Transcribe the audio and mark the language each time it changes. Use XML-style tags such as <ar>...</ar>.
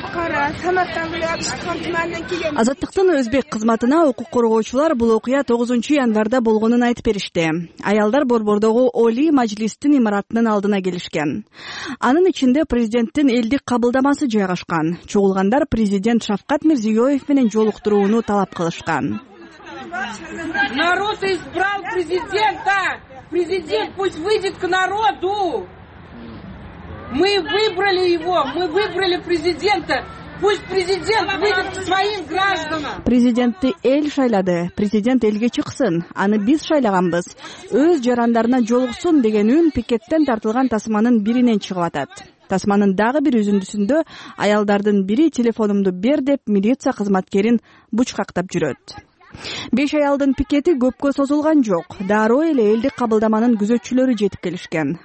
<ky>Азаттыктын өзбек кызматына укук коргоочулар бул окуя 9-январда болгонун айтып беришти. Аялдар борбордогу Оли мажилистин имаратынын алдына келишкен. Анын ичинде президенттин элдик кабылдамасы жайгашкан. Чогулгандар президент Шавкат Мирзиёев менен жолуктурууну талап кылышкан.</ky> <ru>Народ избрал президента! Президент пусть выйдет к народу! Мы выбрали его, мы выбрали президента. Пусть президент выйдет к своим гражданам.</ru> <ky>Президентти эл шайлады. Президент элге чыксын. Аны биз шайлаганбыз. Өз жарандарына жолуксун деген үн пикеттен тартылган тасманын биринен чыгып атат. Тасманын дагы бир үзүндүсүндө аялдардын бири телефонумду бер деп милиция кызматкерин бучкактап жүрөт. Беш аялдын пикети көпкө созулган жок. Дароо эле элдик кабылдаманын күзөтчүлөрү жетип келишкен.</ky>